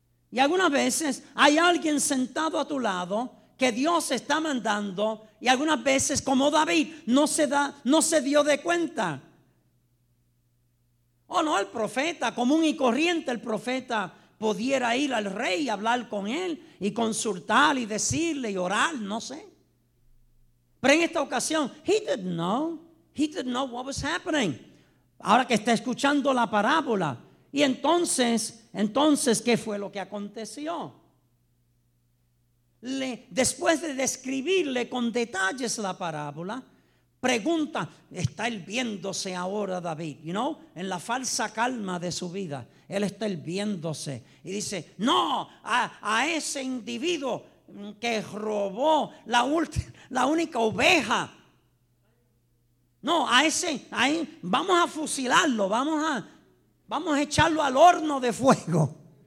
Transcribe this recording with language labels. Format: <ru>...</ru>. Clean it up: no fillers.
<es>Y algunas veces hay alguien sentado a tu lado que Dios está mandando, y algunas veces, como David, no se dio de cuenta. O no, el profeta, común y corriente, el profeta pudiera ir al rey y hablar con él y consultar y decirle y orar, no sé. Pero en esta ocasión,</es> <en>he didn't know what was happening.</en> <es>Ahora que está escuchando la parábola, y entonces, ¿qué fue lo que aconteció? Después de describirle con detalles la parábola, pregunta, está hirviéndose ahora David, you know, en la falsa calma de su vida, él está hirviéndose y dice, no, a ese individuo que robó la única oveja, no, vamos a fusilarlo, vamos a echarlo al horno de fuego.</es>